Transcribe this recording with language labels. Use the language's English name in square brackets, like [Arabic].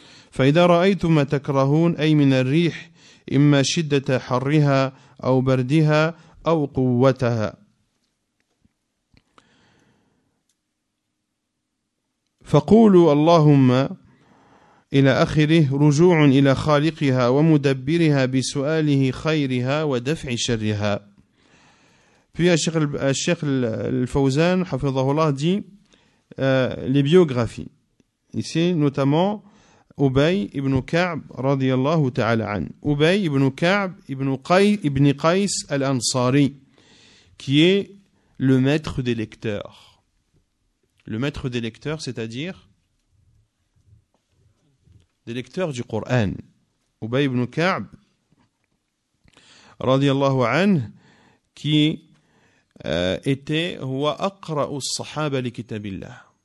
[Arabic] فإذا رأيتم ما تكرهون أي من الريح إما شدة حرها أو بردها أو قوتها. فقولوا اللهم إلى آخره رجوع إلى خالقها ومدبرها بسؤاله خيرها ودفع شرها. [French] Puis Cheikh Al-Fawzan, حفظه الله, dit les biographies. Ici, notamment, [Arabic] أبي ابن كعب رضي الله تعالى عنه. أبي ابن كعب ابن قيس ابن قيس الأنصاري [French] qui est le maître des lecteurs. Le maître des lecteurs, c'est-à-dire des lecteurs du Coran. Ubay ibn Ka'b, radiallahu anh, qui était, [Arabic] huwa aqra'u as-sahaba li kitabillah.